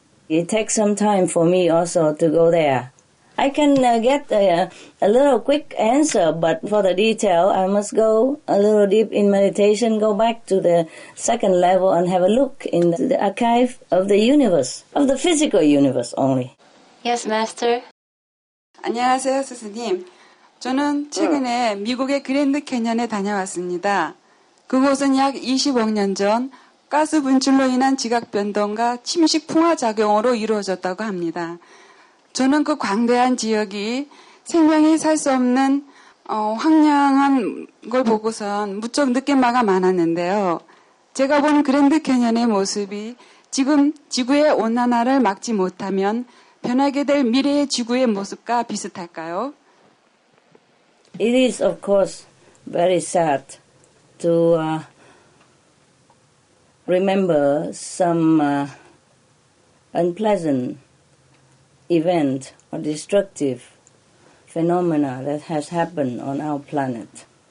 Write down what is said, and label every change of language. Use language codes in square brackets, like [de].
[en] It takes some time for me also to go there. I can get a little quick answer, but for the detail, I must go a little deep in meditation, go back to the second level and have a look in the archive of the universe, of the physical universe only. Yes, Master. [ko] 안녕하세요, 스승님. 저는 최근에 미국의 그랜드 캐년에 다녀왔습니다. 그곳은 약 20억 년 전 가스 분출로 인한 지각 변동과 침식 풍화 작용으로 이루어졌다고 합니다. 저는 그 광대한 지역이 생명이 살 수 없는 황량한 걸 보고선 무척 느낄마가 많았는데요. 제가 본 그랜드 캐년의 모습이 지금 지구의 온난화를 막지 못하면 변하게 될 미래의 지구의 모습과 비슷할까요? [en] It is, of course, very sad to remember some unpleasant event or destructive phenomena that has happened on our planet.